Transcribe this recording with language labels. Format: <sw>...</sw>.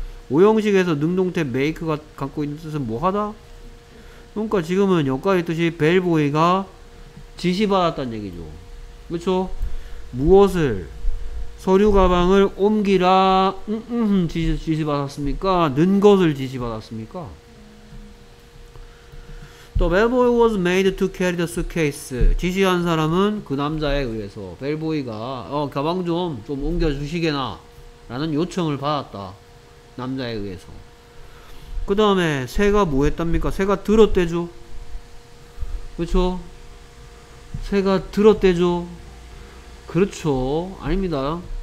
<ko>5형식에서 능동태 make가 갖고 있는 뜻은 뭐하다? 그러니까 지금은 여기까지 뜻이 벨보이가 지시받았다는 얘기죠. 그쵸? 무엇을? 서류 가방을 옮기라 지시받았습니까? 는 것을 지시받았습니까?</ko> <en>The bellboy was made to carry the suitcase.</en> <ko>지시한 사람은 그 남자에 의해서 벨보이가 가방 좀 옮겨주시게나 라는 요청을 받았다. 남자에 의해서. 그 다음에 새가 뭐 했답니까? 새가 들었대죠. 그렇죠? 새가 들었대죠. 그렇죠. 아닙니다.</ko>